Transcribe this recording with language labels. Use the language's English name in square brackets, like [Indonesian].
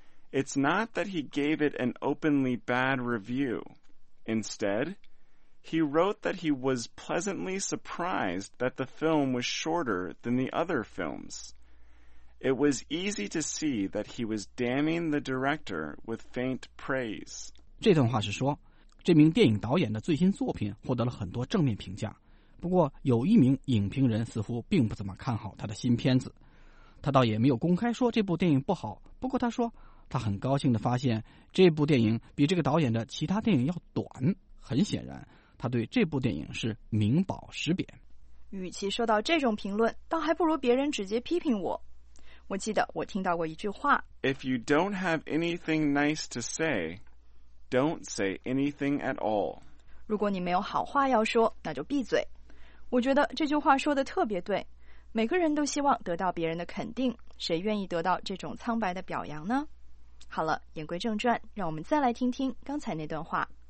[English] It's not that he gave it an openly bad review. Instead, he wrote that he was pleasantly surprised that the film was shorter than the other films. It was easy to see that he was damning the director with faint praise. [Chinese] 这段话是说，这名电影导演的最新作品获得了很多正面评价，不过有一名影评人似乎并不怎么看好他的新片子。他倒也没有公开说这部电影不好，不过他说，他很高兴地发现这部电影比这个导演的其他电影要短。很显然，他对这部电影是名褒实贬。与其受到这种评论，倒还不如别人直接批评我。我记得我听到过一句话 [English] If you don't have anything nice to say, don't say anything at all. [Chinese] 如果你没有好话要说，那就闭嘴。我觉得这句话说得特别对。每个人都希望得到别人的肯定，谁愿意得到这种苍白的表扬呢？好了，言归正传，让我们再来听听刚才那段话。